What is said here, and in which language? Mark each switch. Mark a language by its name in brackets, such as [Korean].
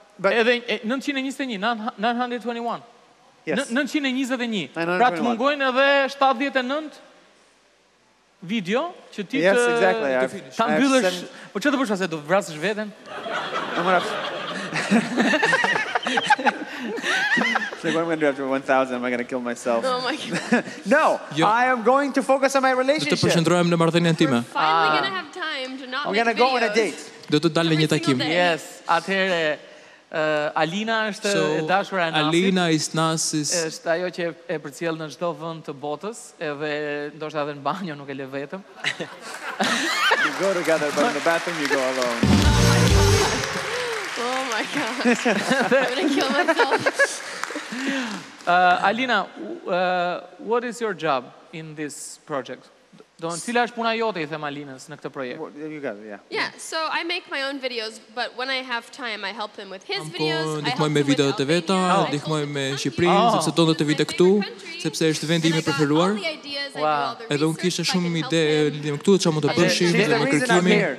[Albanian] 921. Yes. 921. Pra të mungojnë edhe 79? video që ti [English] yes, exactly. [Albanian] Ta mbyllësh, po çfarë do bësh pastaj, do vrasësh veten? [English] So what I'm going to do after 1,000, am I going to kill myself? Oh my God. No, yo, I am going to focus on my relationship. We're finally going to have time to not I'm make I'm going to go on a date. [Albanian] Do të dalë një takim. Yes, atëherë, Alina është [English] so, [Albanian] e dashura e Nasit. [English] Alina is Nasis. [Albanian] Është ajo që e përcjell në çdo vend të botës, edhe ndoshta edhe në banjo nuk e lë vetëm. [English] You go together, but in the bathroom you go alone. Oh my God. I'm going to kill myself. Alina, what is your job in this project? [Albanian] Don, cila është puna jote, I them Alinës, në këtë projekt? [English] You got it, yeah. Yeah, so I make my own videos, but when I have time, I help him with his videos. I help him with Albania. I help him with Albania. I help him with Albania.